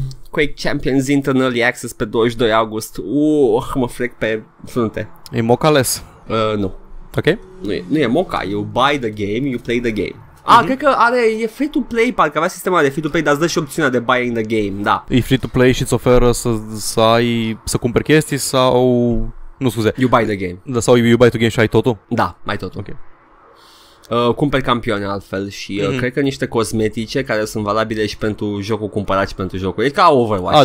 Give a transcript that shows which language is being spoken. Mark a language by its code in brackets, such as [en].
[ro] Quake Champions intră în early access pe 22 august. Mă frec pe frunte. E mocales? Nu. Ok. Nu e moca, [en] you buy the game, you play the game. Mm-hmm. [ro] Cred că e free to play, parcă avea sistema de free to play, dar îți dă și opțiunea de [en] buying the game, [ro] da. E free to play și îți oferă să cumperi chestii sau... Nu, scuze. [en] You buy the game. [ro] Da, sau [en] you buy the game [ro] și ai totul? Da, mai totul. Ok. Cumperi campioane altfel și cred că niște cosmetice care sunt valabile și pentru jocul cumpărat și pentru jocul. E ca Overwatch.